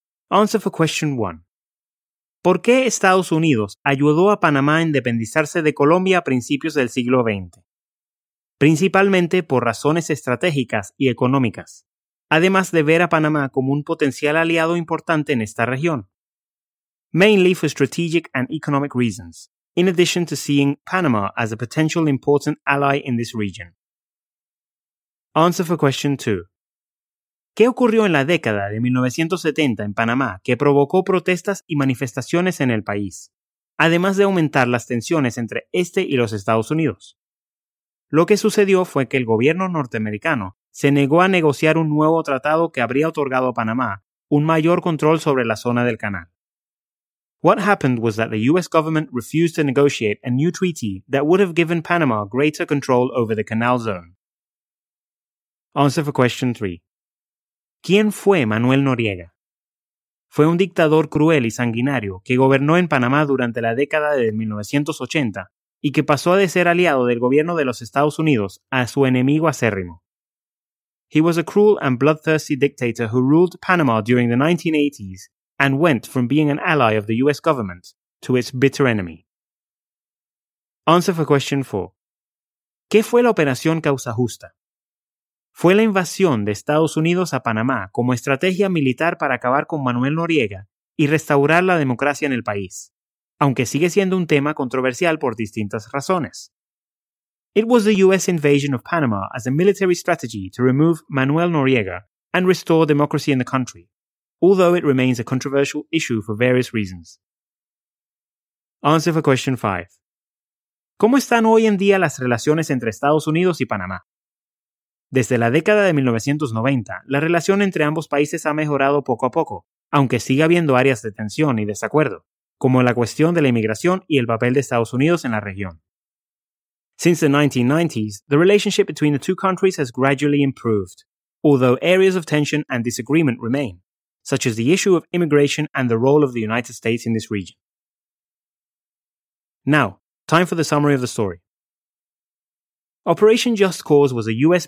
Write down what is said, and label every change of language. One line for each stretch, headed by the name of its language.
English: Answer for question 1.
Spanish: ¿Por qué Estados Unidos ayudó a Panamá a independizarse de Colombia a principios del siglo XX? Principalmente por razones estratégicas y económicas, además de ver a Panamá como un potencial aliado importante en esta región.
English: Mainly for strategic and economic reasons, in addition to seeing Panama as a potential important ally in this region. Answer for question 2.
Spanish: ¿Qué ocurrió en la década de 1970 en Panamá que provocó protestas y manifestaciones en el país, además de aumentar las tensiones entre este y los Estados Unidos? Lo que sucedió fue que el gobierno norteamericano se negó a negociar un nuevo tratado que habría otorgado a Panamá un mayor control sobre la zona del canal.
English: What happened was that the US government refused to negotiate a new treaty that would have given Panama greater control over the canal zone. Answer for question 3.
Spanish: ¿Quién fue Manuel Noriega? Fue un dictador cruel y sanguinario que gobernó en Panamá durante la década de 1980 y que pasó de ser aliado del gobierno de los Estados Unidos a su enemigo acérrimo.
English: He was a cruel and bloodthirsty dictator who ruled Panama during the 1980s and went from being an ally of the US government to its bitter enemy. Answer for question 4.
Spanish: ¿Qué fue la Operación Causa Justa? fue la invasión de Estados Unidos a Panamá como estrategia militar para acabar con Manuel Noriega y restaurar la democracia en el país, aunque sigue siendo un tema controversial por distintas razones.
English: It was the US invasion of Panama as a military strategy to remove Manuel Noriega and restore democracy in the country, although it remains a controversial issue for various reasons. Answer for question 5.
Spanish: ¿Cómo están hoy en día las relaciones entre Estados Unidos y Panamá? Desde la década de 1990, la relación entre ambos países ha mejorado poco a poco, aunque sigue habiendo áreas de tensión y desacuerdo, como la cuestión de la inmigración y el papel de Estados Unidos en la región.
English: Since the 1990s, the relationship between the two countries has gradually improved, although areas of tension and disagreement remain, such as the issue of immigration and the role of the United States in this region. Now, time for the summary of the story. Operation Just Cause was a U.S.